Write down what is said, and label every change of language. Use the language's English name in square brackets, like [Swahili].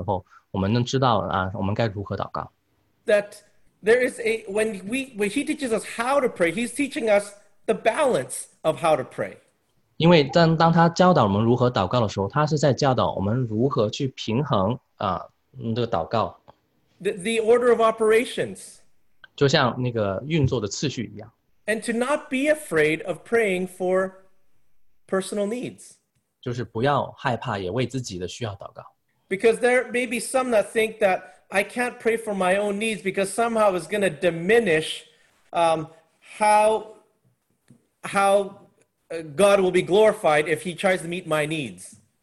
[Chinese] 当我们去看待这些为自己的祷告，是放在如何为神的荣耀去祷告作为一个背景来看的时候，我们能知道我们该如何祷告。 [English] That there is a, when we, when he teaches us how to pray, he's teaching us the balance of how to pray. [Chinese] 因为当他教导我们如何祷告的时候，他是在教导我们如何去平衡这个祷告。 [English] The order of operations. [Chinese] 就像那个运作的次序一样。 [English] And to not be afraid of praying for personal needs. [Chinese] 就是不要害怕也为自己的需要祷告。 [English] Because there may be some that think that I can't pray for my own needs because somehow it's going to diminish how God will be glorified if he tries to meet my needs.